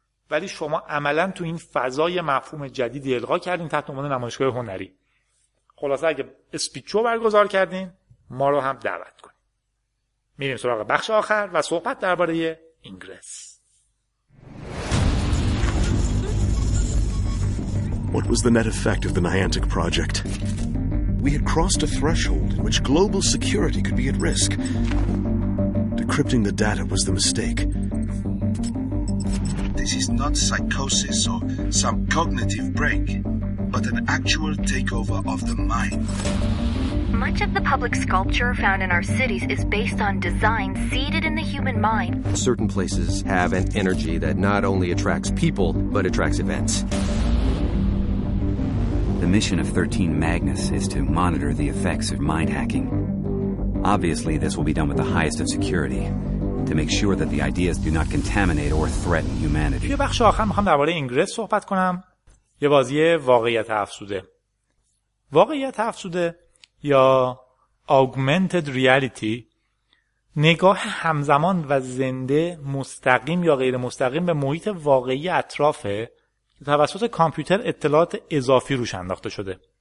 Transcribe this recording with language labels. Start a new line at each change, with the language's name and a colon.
Persian: ولی شما عملاً تو این فضای مفهوم جدیدی القا کردین تحت عنوان نمایشگاه هنری. خلاصه اگه اسپیچو برگزار کردین ما رو هم دعوت کنین. میریم سراغ بخش آخر و صحبت درباره اینگرس.
English: What was the net effect of the Niantic project? We had crossed a threshold in which global security could be at risk. Decrypting the data was the mistake. This is not psychosis or some cognitive break, but an actual takeover of the mind. Much of the public sculpture found in our cities is based on design seeded in the human mind. Certain places have an energy that not only attracts people, but attracts events. The mission of 13 Magnus is to monitor the effects of mind hacking. Obviously, this will be done with the highest of security to make sure that the ideas do not contaminate or threaten humanity.
Persian: یه بخش آخر میخوام درباره اینگرس صحبت کنم. یه بازی واقعیت افزوده. واقعیت افزوده یا augmented reality، نگاه همزمان و زنده مستقیم یا غیر مستقیم به محیط واقعی اطرافه که توسط کامپیوتر اطلاعات اضافی روش انداخته شده.